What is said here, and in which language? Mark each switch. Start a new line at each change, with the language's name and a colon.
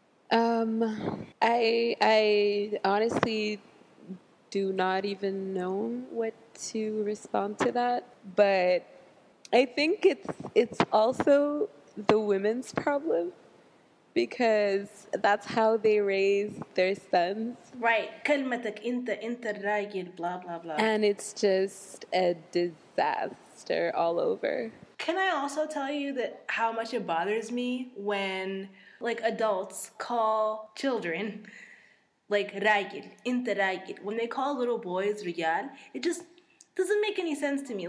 English: I honestly do not even know what to respond to that, but I think it's also the women's problem because that's how they raise their sons. Right.
Arabic: كلمتك انت انت الراجل
English: blah blah blah. And it's just a disaster all over. Can I also tell you that how much it bothers me when like adults call children, like
Arabic: raigil, inte raigil.
English: When they call little boys riyal, it just doesn't make any sense to me.